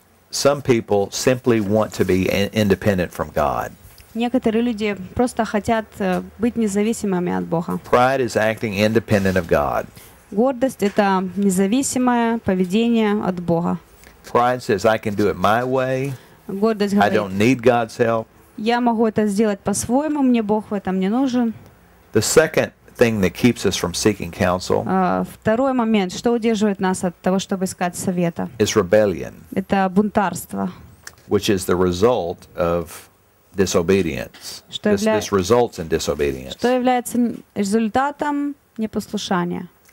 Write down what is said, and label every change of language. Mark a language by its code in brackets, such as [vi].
[en] Some people simply want to be independent from God. [ru] Некоторые люди просто хотят быть независимыми от Бога. [en] Pride is acting independent of God. [ru] Гордость – это независимое поведение от Бога. [en] Pride says, I can do it my way. [ru] Гордость говорит, [en] I don't need God's help. [ru] Я могу это сделать по-своему, мне Бог в этом не нужен. [en] The second thing that keeps us from seeking counsel. [ru] Второй момент, что удерживает нас от того, чтобы искать совета. [en] Is rebellion. [ru] Это бунтарство. [en] Which is the result of disobedience. This results in disobedience. [ru] Что является результатом непослушания.